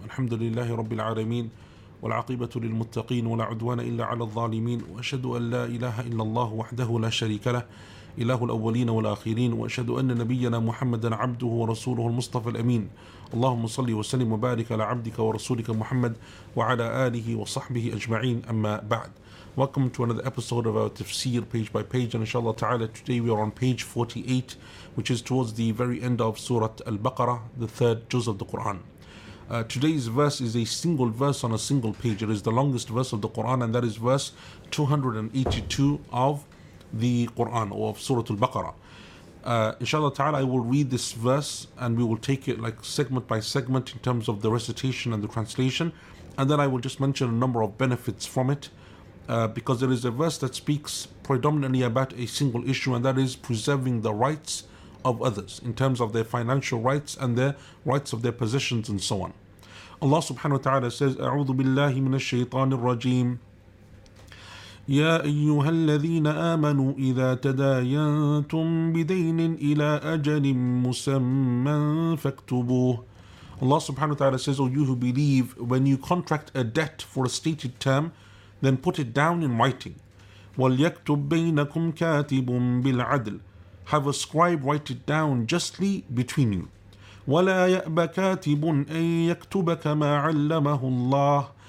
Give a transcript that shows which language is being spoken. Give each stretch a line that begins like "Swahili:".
Arabic: الحمد لله رب العالمين، والعاقبة للمتقين، ولا عدوان إلا على الظالمين. وأشهد أن لا إله إلا الله وحده لا شريك له، إله الأولين والآخرين. وأشهد أن نبينا محمدا عبده ورسوله المصطفى الأمين. اللهم صل وسلم وبارك على عبدك ورسولك محمد وعلى آله وصحبه أجمعين. أما بعد،
English: welcome to another episode of our Tafsir page by page, and inshallah ta'ala today we are on page 48, which is towards the very end of Surah Al-Baqarah, the third juz of the Quran. Today's verse is a single verse on a single page. It is the longest verse of the Quran, and that is verse 282 of the Quran, or of Surah Al-Baqarah. Inshallah ta'ala, I will read this verse and we will take it like segment by segment in terms of the recitation and the translation, and then I will just mention a number of benefits from it. Because there is a verse that speaks predominantly about a single issue, and that is preserving the rights of others in terms of their financial rights and their rights of their possessions and so on.
Arabic: Allah subhanahu wa ta'ala says, أعوذ بالله من الشيطان الرجيم يا أيها الذين آمنوا إذا تداينتم بدين إلى أجل مسمى فاكتبوه.
English: Allah subhanahu wa ta'ala says, O you who believe, when you contract a debt for a stated term, then put it down in writing.
Arabic: وَلْيَكْتُبْ بَيْنَكُمْ كَاتِبٌ بِالْعَدْلِ.
English: Have a scribe write it down justly between you.
Arabic: وَلَا يَأْبَ كَاتِبٌ أَن يَكْتُبَ كَمَا عَلَّمَهُ اللَّهُ.